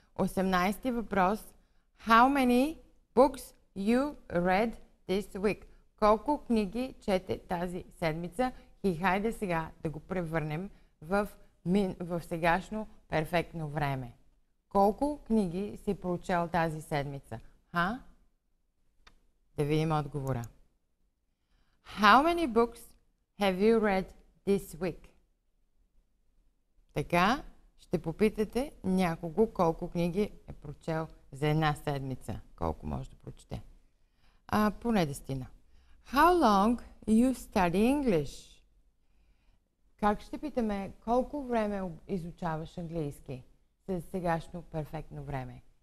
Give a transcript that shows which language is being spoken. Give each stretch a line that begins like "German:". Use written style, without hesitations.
Bulgarian: 18-ти въпрос.
English: How many books you read this week?
Bulgarian: Колко книги чете тази седмица? И хайде сега да го превърнем в сегашно перфектно време. Колко книги си прочел тази седмица? Ха? Да видим отговора.
English: How many books have you read this week?
Bulgarian: Така ще попитате някого колко книги е прочел за една седмица. Колко може да прочете. Поне дестина.
English: How long you study English?
Bulgarian: Как ще питаме колко време изучаваш английски със сегашно перфектно време?